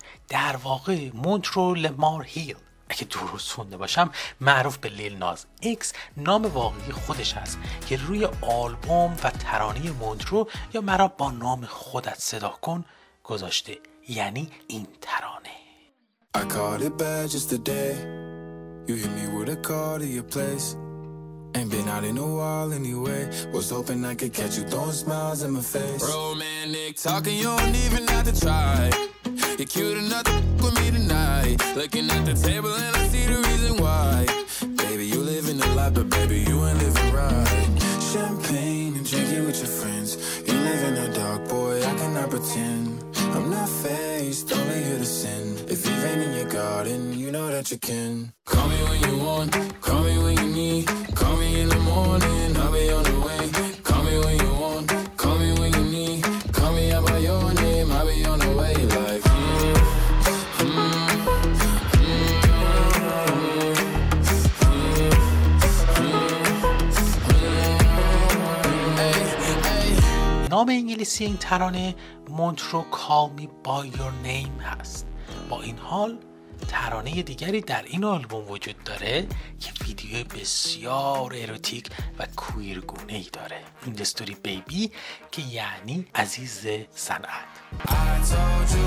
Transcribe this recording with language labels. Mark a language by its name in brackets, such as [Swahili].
[Persian] در واقع مونترو لمار هیل، اگه درست خونده باشم، معروف به لیل ناز ایکس نام واقعی خودش است که روی آلبوم و ترانه مونترو یا مرا با نام خودت صدا کن گذاشته، یعنی این ترانه. [English] I caught it bad just today. You hit me with a call to your place. Ain't been out in a while anyway. Was hoping I could catch you throwing smiles in my face. Romantic talking, you don't even have to try. You're cute enough to f*** with me tonight. Looking at the table and I see the reason why. Baby, you living the life, but baby, you ain't living right. Champagne and drinking with your friends. You live in the dark, boy, I cannot pretend. I'm not fazed, only here to sin. If you rain in your garden, you know that you can. Call me when you want, call me when you need. Call me in the morning, I'll be on the way. Call me when you want, call me when you need. Call me out by your name, I'll be on the way. Like you, [Persian] نام انگلیسی این ترانه مونترو Call Me By Your Name هست. با این حال ترانه دیگری در این آلبوم وجود داره که ویدیو بسیار اروتیک و کویرگونه ای داره، این دستوری بیبی که یعنی عزیز صنعت.